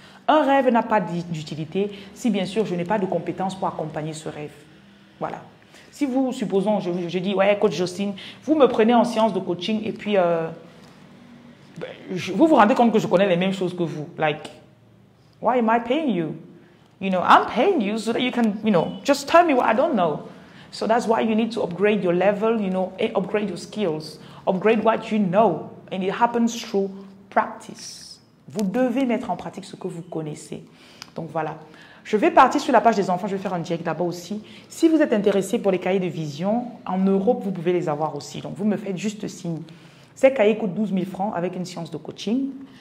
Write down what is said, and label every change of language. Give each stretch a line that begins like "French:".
French: Un rêve n'a pas d'utilité si, bien sûr, je n'ai pas de compétences pour accompagner ce rêve. Voilà. Si vous, supposons, je dis, ouais, coach Justine, vous me prenez en séance de coaching et puis vous vous rendez compte que je connais les mêmes choses que vous.
English: Like, why am I paying you? You know, I'm paying you so that you can, you know, just tell me what I don't know. So that's why you need to upgrade your level, you know, and upgrade your skills. Upgrade what you know. And it happens through practice.
French: Vous devez mettre en pratique ce que vous connaissez. Donc voilà. Je vais partir sur la page des enfants. Je vais faire un direct là-bas aussi. Si vous êtes intéressé pour les cahiers de vision, en Europe, vous pouvez les avoir aussi. Donc vous me faites juste signe. Ces cahiers coûtent 12 000 francs avec une séance de coaching.